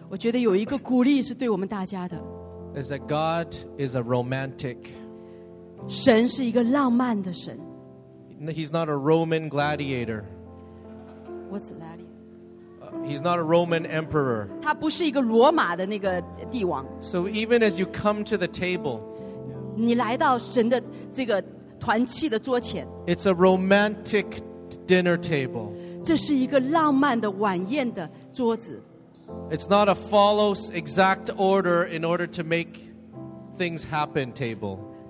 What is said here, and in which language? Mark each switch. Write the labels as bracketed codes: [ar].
[zh] 我觉得有一个鼓励是对我们大家的。 [en] Is that God is a romantic. [zh] 神是一个浪漫的神 [en] He's not a Roman gladiator What's a gladiator? He's not a Roman emperor [zh] 他不是一个罗马的那个帝王 [en] So even as you come to the table [zh] 你来到神的这个团契的桌前 [en] It's a romantic dinner table [zh] 这是一个浪漫的晚宴的桌子 [en] It's not a follows exact order in order to make things happen table